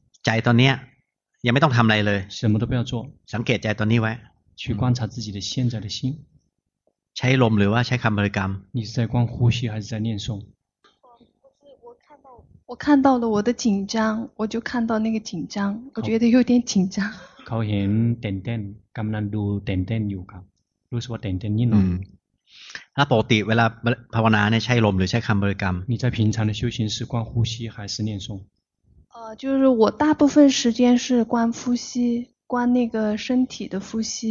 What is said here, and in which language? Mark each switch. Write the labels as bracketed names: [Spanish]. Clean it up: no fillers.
[Thai] ใจตอนเนี้ยยังไม่ต้องทำอะไรเลย [Chinese] 什么都不要做 [Thai] สังเกตใจตอนนี้ไว้ [Chinese] 去观察自己的现在的心 [Thai] ใช้ลมหรือว่าใช้คำบริกรรม [Chinese] 你是在观呼吸还是在念诵我看到了我的紧张我就看到那个紧张我觉得有点紧张 [Thai] เขาเห็นเต้นๆกำลังดูเต้นๆอยู่ครับรู้สึกว่าเต้นๆนิดหน่อย ถ้าปกติเวลาภาวนาเนี่ยใช้ลมหรือใช้คำบริกรรม [Chinese] 你在平常的修行是观呼吸还是念诵就是我大部分时间是观呼吸观那个身体的呼吸